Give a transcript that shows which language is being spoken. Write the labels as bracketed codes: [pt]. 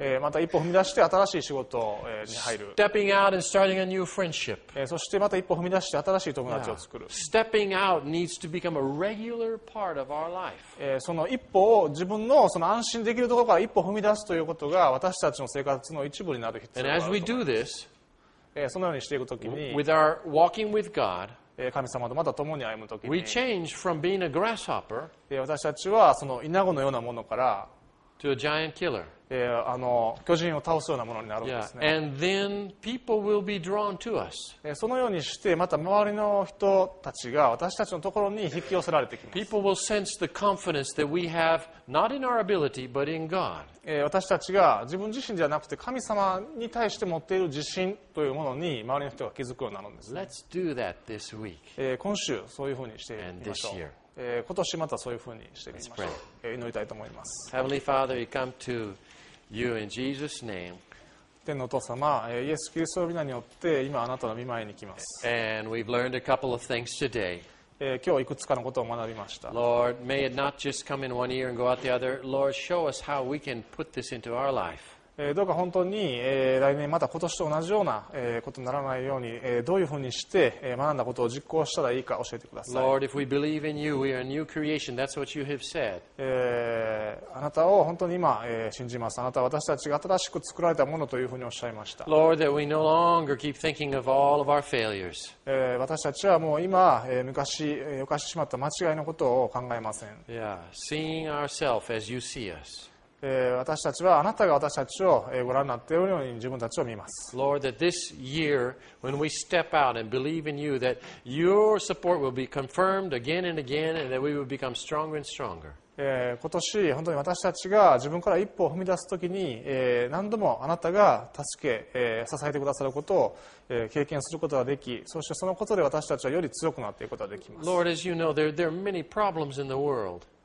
[ja] また一歩踏み出して新しい仕事、に入る。 [en] Stepping out and starting a new friendship. [ja] そしてまた一歩踏み出して新しい友達を作る。 [en] Stepping out needs to become a regular part of our life. [ja] その一歩を自分のその安心できるところから一歩踏み出すということが私たちの生活の一部になる必要があると思います。 [en] And as we do this, [ja] そのようにしていくときに、 [en] with our walking with God, [ja] 神様とまた共に歩むときに、 [en] we change from being a grasshopper, [ja] 私たちはそのイナゴのようなものから、 [en] to a giant killer, [ja] 巨人を倒すようなものになるんですね。 [en] Yeah. And then people will be drawn to us. [ja] そのようにして、また周りの人たちが私たちのところに引き寄せられてきます。 [en] People will sense the confidence that we have not in our ability, but in God. [ja] 私たちが自分自身ではなくて神様に対して持っている自信というものに周りの人が気づくようになるんです、ね。 [en] Let's do that this week. [ja] 今週そういうふうにしてみましょう。 [en] And this year. [ja] 今年またそういうふうにしてみましょう。 [en] Let's pray. [ja] 祈りたいと思います。 [en] Heavenly Father, we come to you in Jesus' name. [ja] 天のお父様、イエス・キリストの名によって今あなたの御前に来ます。 [en] And we've learned a couple of things today. [ja] 今日いくつかのことを学びました。 [en] Lord, may it not just come in one ear and go out the other. Lord, show us how we can put this into our life. [ja] どうか本当に、来年また今年と同じような、ことにならないように、どういうふうにして、学んだことを実行したらいいか教えてください。 [en] Lord, if we believe in you, we are a new creation. That's what you have said. [ja] あなたを本当に今、信じます。あなたは私たちが新しく作られたものというふうにおっしゃいました。 [en] Lord, that we no longer keep thinking of all of our failures. [ja] 私たちはもう今、昔、犯してしまった間違いのことを考えません。 [en] Yeah, seeing ourselves as you see us. [ja] 私たちはあなたが私たちをご覧になっているように自分たちを見ます。 [en] Lord, that this year, when we step out and believe in you, that your support will be confirmed again and again, and that we will become stronger and stronger. [ja] 今年本当に私たちが自分から一歩を踏み出すときに、何度もあなたが助け、支えてくださることを、経験することができ、そしてそのことで私たちはより強くなっていくことができます。 [en] Lord, as you know, there are many problems in the world.